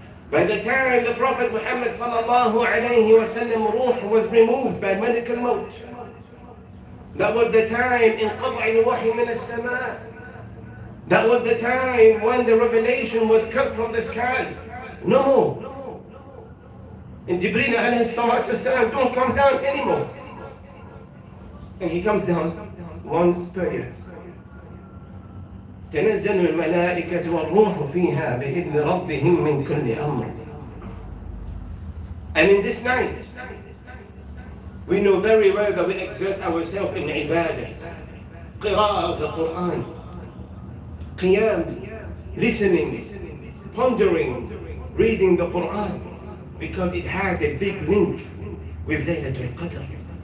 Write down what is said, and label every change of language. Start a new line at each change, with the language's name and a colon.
English: By the time the Prophet Muhammad sallallahu alayhi wa sallam ruh was removed by medical maut, that was the time in
Arabic: qad'i al-wahi min al-samah.
English: That was the time when the revelation was cut from the sky. No. And Jibreel alayhi salatu wa sallam don't come down anymore. And he comes down once per year.
Arabic: تنزل الملائكة والروح فيها بإذن ربهم من كل أمر.
English: And in this night, we know very well that we exert ourselves in ibadah, قراءة of the Quran, قيام, listening, pondering, reading the Quran, because it has a big link with ليلة القدر.